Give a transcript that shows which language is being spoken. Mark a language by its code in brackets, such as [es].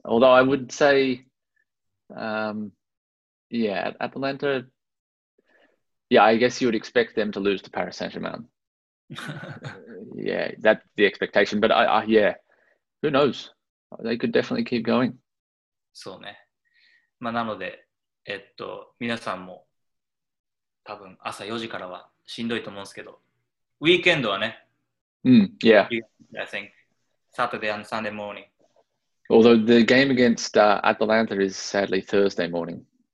[en] Although I would say, Atlanta, I guess you would expect them to lose to Paris Saint-Germain. Yeah, that's the expectation. But who knows? They could definitely keep going. [ja] そうね。まあ、なので、皆さんも多分朝4時からはしんどいと思うんですけど、ウィークエンドはね、 [en] Yeah. I think Saturday and Sunday morning. Although the game against Atalanta is sadly Thursday morning.